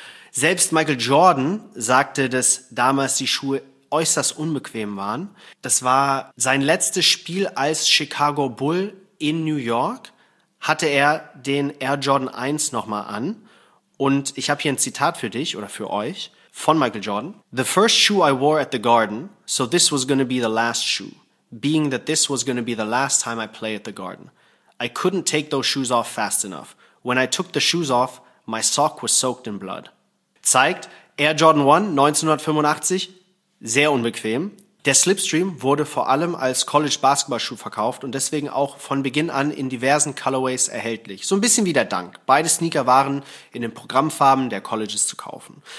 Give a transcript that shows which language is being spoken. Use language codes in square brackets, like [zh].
[de] Selbst Michael Jordan sagte, dass damals die Schuhe äußerst unbequem waren. Das war sein letztes Spiel als Chicago Bull in New York, hatte er den Air Jordan 1 nochmal an. Und ich habe hier ein Zitat für dich oder für euch von Michael Jordan. [en] The first shoe I wore at the Garden, so this was gonna be the last shoe. Being that this was gonna be the last time I play at the Garden. I couldn't take those shoes off fast enough. When I took the shoes off, my sock was soaked in blood. [de] Zeigt, Air Jordan 1, 1985, sehr unbequem. Der Slipstream wurde vor allem als College-Basketballschuh verkauft und deswegen auch von Beginn an in diversen Colorways erhältlich. So ein bisschen wie der Dunk. Beide Sneaker waren in den Programmfarben der Colleges zu kaufen.